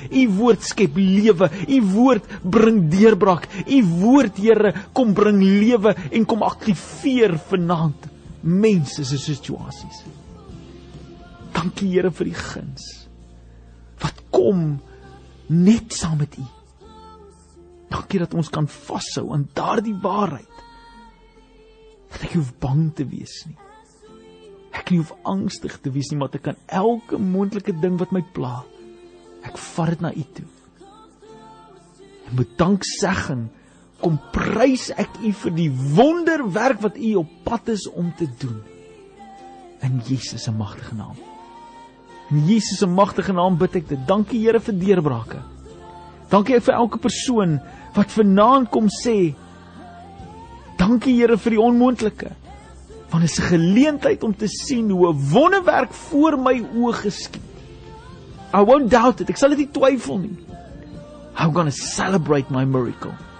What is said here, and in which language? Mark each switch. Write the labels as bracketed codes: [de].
[af] U woord skep lewe. U woord bring deurbraak. U woord, Here, kom bring lewe en kom aktiveer vanaand mense se situasies. Dankie, Here, vir die guns wat kom net saam met U. Dankie dat ons kan vashou aan daardie waarheid. Dat ek hoef bang te wees nie. Ek nie hoef angstig te wees nie, maar ek kan elke moontlike ding wat my pla, ek vat dit na U toe. En met danksegging kom prys ek U vir die wonderwerk wat U op pad is om te doen. In Jesus se magtige naam. In Jesus se magtige naam bid ek dit. Dankie, Here, vir deurbrake. Dankie vir elke persoon wat vanaand kom sê, dankie, Here, vir die onmoontlike. Want dit is 'n geleentheid om te sien hoe 'n wonderwerk voor my oë geskied. [en] I won't doubt it. [af] Ek sal dit nie twyfel nie. [en] I'm going to celebrate my miracle.